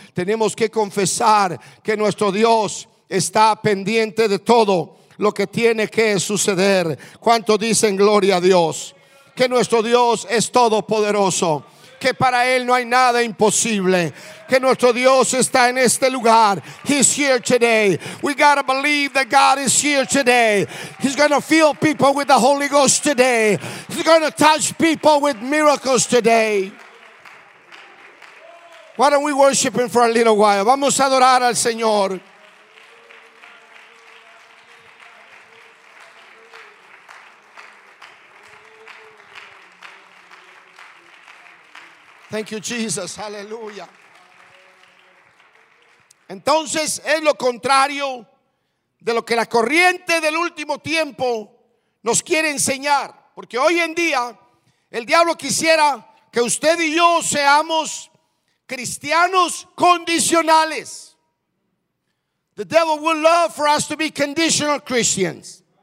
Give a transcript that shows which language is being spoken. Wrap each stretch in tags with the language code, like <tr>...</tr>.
<es>Tenemos que confesar que nuestro Dios está pendiente de todo lo que tiene que suceder. ¿Cuántos dicen gloria a Dios? Que nuestro Dios es todopoderoso, que para Él no hay nada imposible, que nuestro Dios está en este lugar.</es> <en>He's here today. We gotta believe that God is here today. He's gonna fill people with the Holy Ghost today. He's gonna touch people with miracles today. Why don't we worship Him for a little while?</en> <es>Vamos a adorar al Señor.</es> <en>Thank you, Jesus. Hallelujah.</en> <es>Entonces es lo contrario de lo que la corriente del último tiempo nos quiere enseñar. Porque hoy en día el diablo quisiera que usted y yo seamos cristianos condicionales.</es> <en>The devil would love for us to be conditional Christians.</en>